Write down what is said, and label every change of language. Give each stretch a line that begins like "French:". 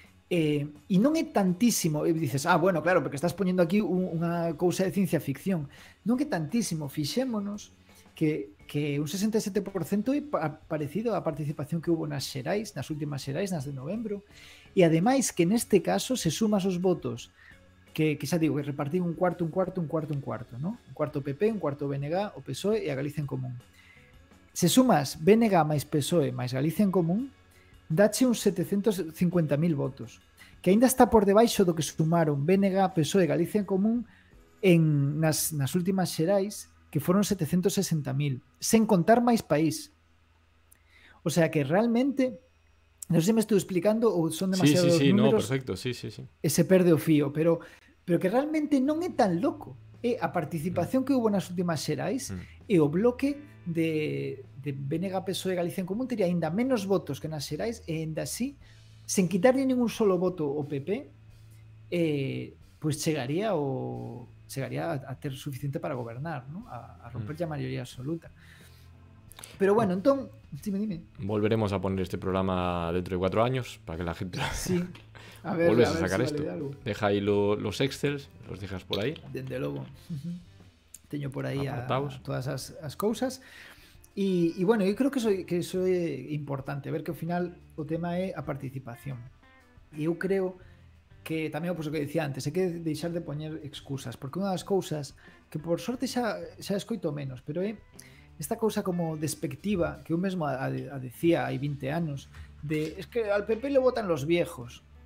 Galician: E non é tantísimo, e dices, ah, bueno, claro, porque estás poñendo aquí unha cousa de ciencia ficción. Non é tantísimo, fixémonos que un 67% é parecido á participación que hubo nas xerais, nas últimas xerais, nas de novembro, e ademais que neste caso se sumas os votos que xa digo, que repartí un cuarto, un cuarto, un cuarto, un cuarto, ¿no? Un cuarto PP, un cuarto BNG, o PSOE e a Galicia en Común. Se sumas BNG máis PSOE máis Galicia en Común, dache uns 750.000 votos, que aínda está por debaixo do que sumaron BNG, PSOE e Galicia en Común nas últimas xerais, que foron 760.000, sen contar máis país. O sea que realmente... Non sei se me estou explicando ou son demasiados números.
Spanish: Sí, no, perfecto, sí.
Galician: Ese perde o fío, pero que realmente non é tan loco. É a participación que hubo nas últimas xerais e o bloque de BNG, PSOE e Galicia en Común teria aínda menos votos que nas xerais e aínda así, sen quitarle ningún solo voto o PP, pues chegaría a ter suficiente para gobernar, ¿no? A romper ya maioría absoluta. Pero bueno, entón, dime.
Spanish: Volveremos a poner este programa dentro de 4 años para que la gente sí. A ver, vuelves a sacar si esto. Vale algo. Deja ahí los excels, los dejas por ahí.
Galician: Desde luego. Teño por ahí todas as cousas.
Spanish: Y bueno, yo creo que eso é importante.
Galician: A ver que al final o tema é a participación.
Spanish: Y yo creo que también, pues, lo que decía antes, hay que
Galician: deixar de poñer excusas. Porque
Spanish: una de las
Galician: cousas que
Spanish: por suerte
Galician: xa escoito menos, pero é... Esta cousa como despectiva que eu mesmo a decía hai 20 anos de
Spanish: es que al PP le votan los viejos.